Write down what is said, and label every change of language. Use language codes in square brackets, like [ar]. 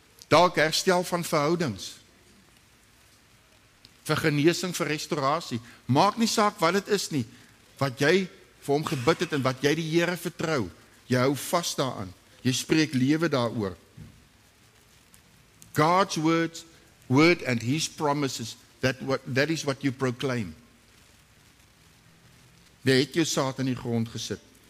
[af] Dalk herstel van verhoudings. Vir genesing, vir restaurasie. Maak nie saak wat dit is nie. Wat jy vir hom gebid het en wat jy die Here vertrou, jy hou vas daaraan. Jy spreek lewe daaroor. [en] God's word and his promises, that is what you proclaim. [af] Jy het jou saad in die grond gesit.